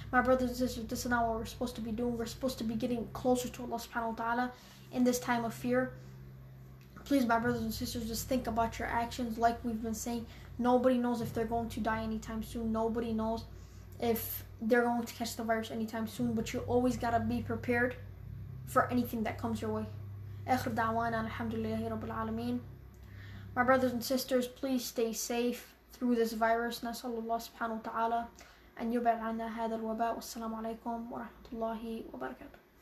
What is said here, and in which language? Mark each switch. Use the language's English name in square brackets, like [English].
[English] My brothers and sisters, this is not what we're supposed to be doing. We're supposed to be getting closer to Allah subhanahu wa ta'ala in this time of fear. Please, my brothers and sisters, just think about your actions. Like we've been saying, nobody knows if they're going to die anytime soon. Nobody knows if they're going to catch the virus anytime soon. But you always gotta be prepared for anything that comes your way. [Arabic] أخر دعوانا الحمد لله رب العالمين. [English] My brothers and sisters, please stay safe through this virus. [Arabic] نسأل الله سبحانه وتعالى أن يبعد عنا هذا الوباء. والسلام عليكم ورحمة الله وبركاته.